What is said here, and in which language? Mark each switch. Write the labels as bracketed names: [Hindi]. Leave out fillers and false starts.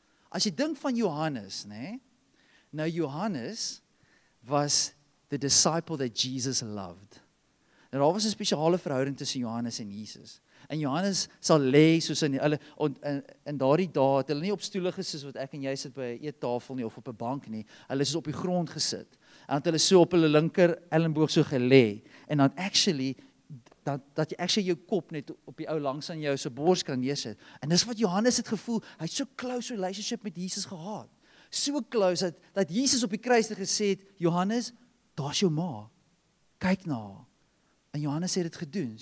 [Afrikaans] As jy dink van Johannes, nee, nou [English] Johannes was the disciple that Jesus loved. [Afrikaans] Nou daar was een speciale verhouding tussen Johannes en Jesus. En Johannes sal lees, soos in daardie dae, het hulle nie op stoele gesit, wat ek en jy sit by 'n eettafel nie, of op 'n bank nie, hulle is op die grond gesit, en het hulle so op hulle linker elleboog so gelê, en dan actually, dat jy actually jou kop net op die ou langs aan jou, so bors kan neersit, en dis wat Johannes het gevoel, hy het so close relationship met Jesus gehad, so close, dat Jesus op die kruis het gesê, Johannes, daar is jou ma, kyk na haar, en Johannes het dit gedoen.